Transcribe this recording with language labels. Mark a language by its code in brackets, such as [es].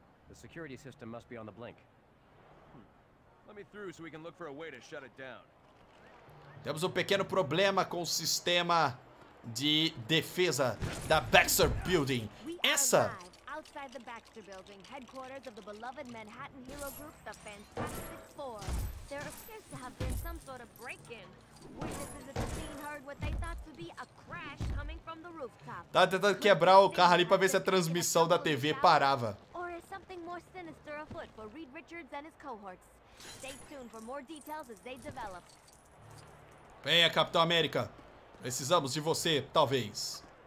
[en] The security system must be on the blink. Let me through so we can look for a way to shut it down. [pt] Temos um pequeno problema com o sistema de defesa da Baxter Building. Essa [en] outside the Baxter Building, headquarters of the beloved Manhattan Hero Group, the Fantastic Four. There appears to have been some sort of break-in. [pt] Tá tentando quebrar o carro ali pra ver se a transmissão da TV parava. Venha, Capitão América. Precisamos de você, talvez.